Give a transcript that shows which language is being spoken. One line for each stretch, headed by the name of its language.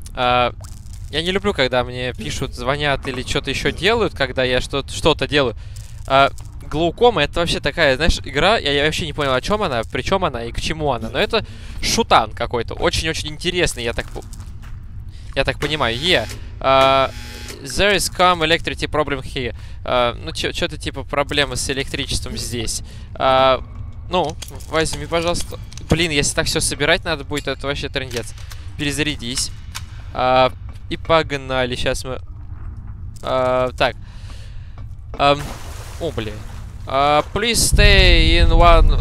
Russian: Я не люблю, когда мне пишут, звонят или что-то еще делают, когда я что-то делаю. Glaucoma это вообще такая, знаешь, игра, я вообще не понял, о чем она, при чем она и к чему она. Но это шутан какой-то, очень-очень интересный, я так понимаю.
English: There is come electricity problem here.
Russian: Ну, что-то типа проблемы с электричеством здесь. Ну, возьми, пожалуйста. Блин, если так все собирать надо будет, это вообще трындец. Перезарядись. И погнали, сейчас мы... так. О, блин.
English: Please stay in one...